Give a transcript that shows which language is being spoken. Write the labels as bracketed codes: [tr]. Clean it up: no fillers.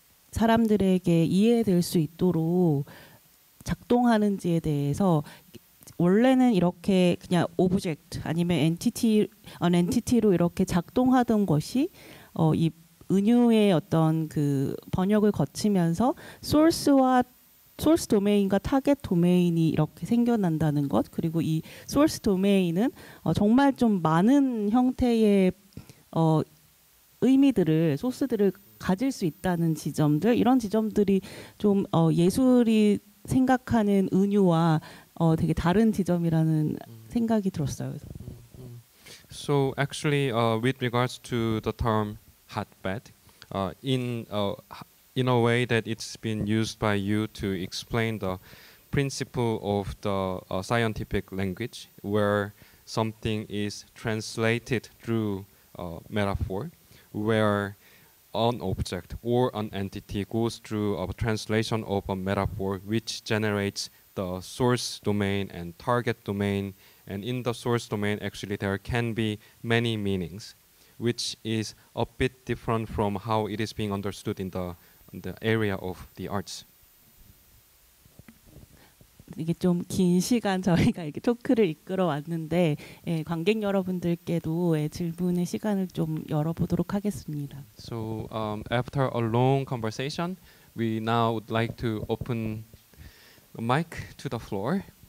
[ko] 사람들에게 이해될 수 있도록 작동하는지에 대해서 원래는 이렇게 그냥 오브젝트 아니면 엔티티 언 엔티티로 이렇게 작동하던 것이 이 은유의 어떤 그 번역을 거치면서 소스와 소스 도메인과 타겟 도메인이 이렇게 생겨난다는 것, 그리고 이 소스 도메인은 정말 좀 많은 형태의 의미들을 소스들을 가질 수 있다는 지점들, 이런 지점들이 좀 예술이 생각하는 은유와 되게 다른 지점이라는 생각이 들었어요. [en] So actually, with regards to the term hotbed, in a way that it's been used by you to explain the principle of the scientific language, where something is translated through metaphor, where an object or an entity goes through a translation of a metaphor which generates the source domain and target domain, and in the source domain actually there can be many meanings, which is a bit different from how it is being understood in the area of the arts. [ko] 이게 좀 긴 시간 저희가 이렇게 토크를 이끌어 왔는데 관객 여러분들께도 질문의 시간을 좀 열어보도록 하겠습니다. [en] So after a long conversation, we now would like to open the mic to the floor.